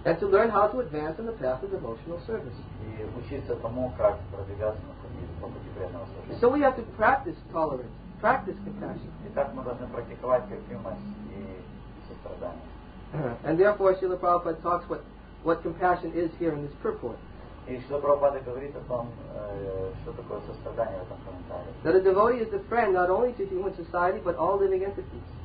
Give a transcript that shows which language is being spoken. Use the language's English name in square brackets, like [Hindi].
[English] And to learn how to advance in the path of devotional service. [Russian] И учиться тому, как продвигаться на пути преданного служения. [English] So we have to practice tolerance, practice compassion. [Russian] Итак, мы должны практиковать терпимость и сострадание. [English] And therefore, Srila Prabhupada talks what compassion is here in this purport. [Russian] И Шрила Прабхупада говорит о том, что такое сострадание в этом комментарии. [English] That a devotee is a friend not only to human society, but all living entities.